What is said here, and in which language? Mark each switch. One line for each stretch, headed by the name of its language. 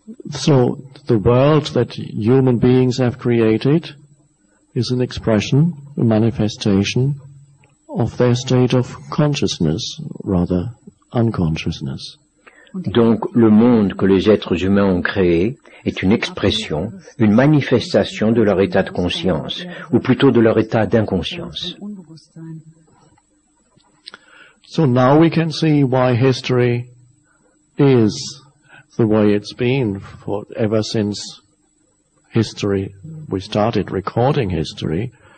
English: So the world that human beings have created is an expression, a manifestation of their state of consciousness, rather unconsciousness.
French: Donc le monde que les êtres humains ont créé est une expression, une manifestation de leur état de conscience, ou plutôt de leur état d'inconscience.
English: So now we can see why history is the way it's been for ever since history, we started recording history.